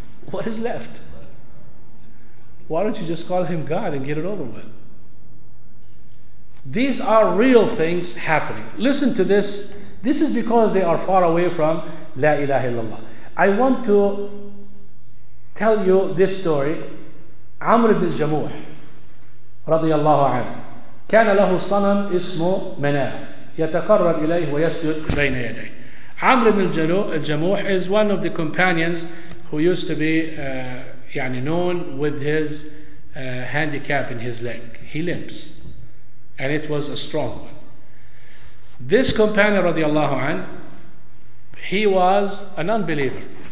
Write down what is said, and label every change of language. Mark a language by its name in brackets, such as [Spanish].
[English] What is left? Why don't you just call him God and get it over with? These are real things happening. Listen to this. This is because they are far away from La ilaha illallah. I want to tell you this story. [Arabic] Amr ibn Jamuh radiyallahu anhu كان له صنم اسمه مناف يتقرب إليه ويسجد بين يديه. [English] Amr ibn Jamuh is one of the companions who used to be known with his handicap in his leg. He limps. And it was a strong one. This companion, radiallahu anhu, he was an unbeliever.